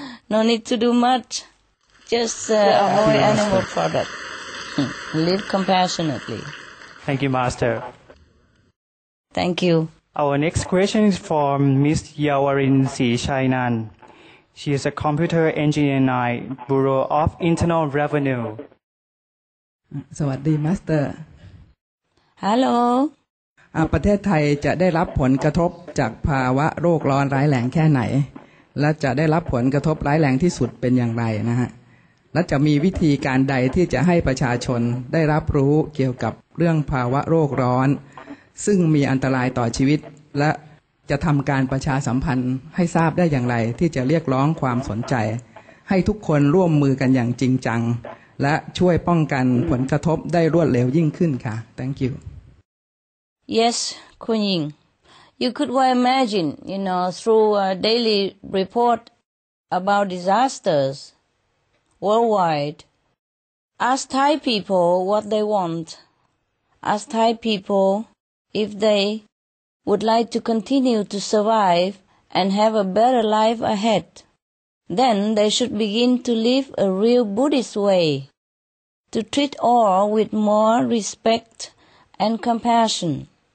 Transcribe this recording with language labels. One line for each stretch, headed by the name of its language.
English: No need to do much. Just avoid animal product. Live compassionately. Thank you, Master. Thank you. Our next question is from Ms. Yawarin Si Shainan. She is a computer engineer in the Bureau of Internal Revenue.
Thai: สวัสดี Master.
English: Hello.
Thai: ประเทศไทยจะได้รับผลกระทบจากภาวะโรคร้อนร้ายแรงแค่ไหนและจะได้รับผลกระทบร้ายแรงที่สุดเป็นอย่างไรนะฮะและจะมีวิธีการใดที่จะให้ประชาชนได้รับรู้เกี่ยวกับเรื่องภาวะโรคร้อนซึ่งมีอันตรายต่อชีวิตและจะทำการประชาสัมพันธ์ให้ทราบได้อย่างไรที่จะเรียกร้องความสนใจให้ทุกคนร่วมมือกันอย่างจริงจังและช่วยป้องกันผลกระทบได้รวดเร็วยิ่งขึ้นค่ะ
English: Thank you Yes Kun Ying You could well imagine you know through a daily report about disastersworldwide, ask Thai people what they want, ask Thai people if they would like to continue to survive and have a better life ahead, then they should begin to live a real Buddhist way, to treat all with more respect and compassion.